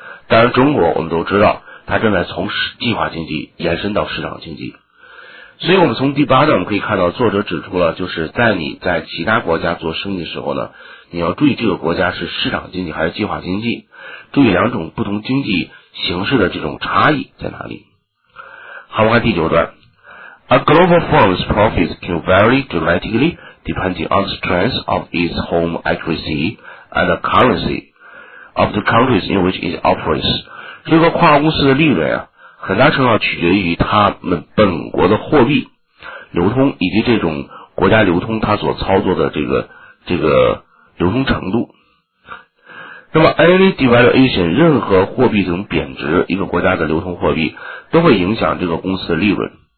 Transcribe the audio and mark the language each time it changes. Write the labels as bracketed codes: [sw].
[zh] 当然中国我们都知道它正在从计划经济延伸到市场经济。所以我们从第八段我们可以看到，作者指出了就是在你在其他国家做生意的时候呢，你要注意这个国家是市场经济还是计划经济，注意两种不同经济形式的这种差异在哪里。好，我们看第九段。 [en] A global firm's profits can vary dramatically depending on the strength of its home currency and the currency of the countries in which it operates. [zh] 这个跨公司的利润啊，很大程度上取决于他们本国的货币流通以及这种国家流通他所操作的这个流通程度。那么 [en] any devaluation [zh] 任何货币这种贬值，一个国家的流通货币都会影响这个公司的利润。